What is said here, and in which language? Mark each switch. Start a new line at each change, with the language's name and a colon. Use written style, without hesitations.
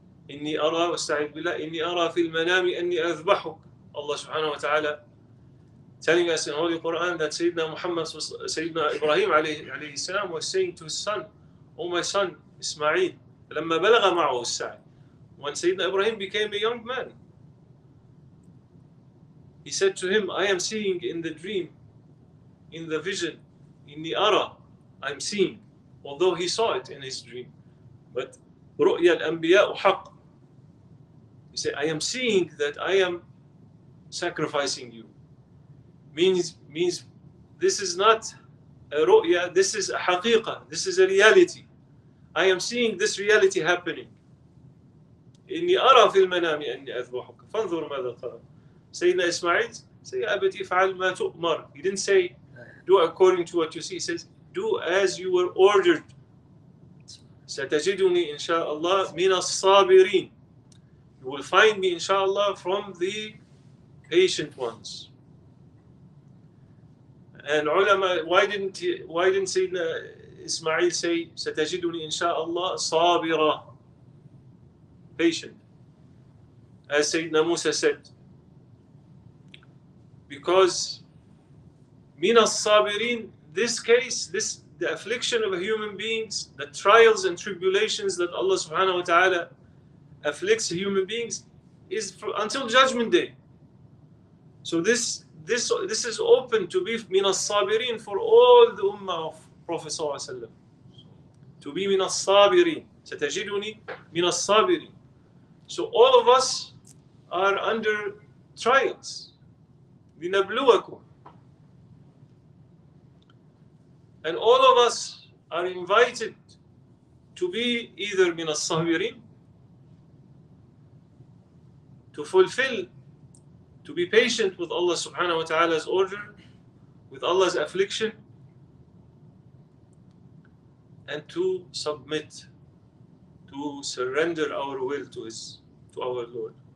Arabic: إني أرى واستعيذ بالله إني أرى في المنام أني أذبحك. الله سبحانه وتعالى
English: telling us in Holy Quran that سيدنا إبراهيم عليه السلام was saying to his son, oh my son إسماعيل,
Arabic: لما بلغ معه السعي,
English: when سيدنا إبراهيم became a young man, he said to him, I am seeing in the dream, in the vision,
Arabic: إني أرى,
English: I'm seeing, although he saw it in his dream, but
Arabic: رؤيا الأنبياء حق.
English: He said, I am seeing that I am sacrificing you. Means this is not a ru'ya, this is a haqiqa, this is a reality. I am seeing this reality happening.
Arabic: إني أرى في المنام أني أذبحك، فانظر ماذا قال سيدنا إسماعيل. Say, Abati, فعل ما تؤمر.
English: He didn't say, do according to what you see. He says, do as you were ordered.
Arabic: ستجدني إن شاء الله من الصابرين.
English: You will find me, inshallah, from the patient ones. And ulama, why didn't Sayyidina Ismail say,
Arabic: ستجدني إن شاء الله صابرا,
English: patient, as Sayyidina Musa said? Because
Arabic: من الصابرين,
English: this case, this, the affliction of human beings, the trials and tribulations that Allah subhanahu wa ta'ala afflicts human beings, is for, until judgment day. So this is open to be
Arabic: من الصابرين
English: for all the ummah of Prophet sallallahu alaihi wasallam. To be
Arabic: من الصابرين, ستجدني من الصابرين.
English: So all of us are under trials.
Arabic: لِنَبْلُوَكُمْ.
English: And all of us are invited to be either
Arabic: من الصابرين,
English: to fulfill, to be patient with Allah subhanahu wa ta'ala's order, with Allah's affliction, and to submit, to surrender our will to His, to our Lord.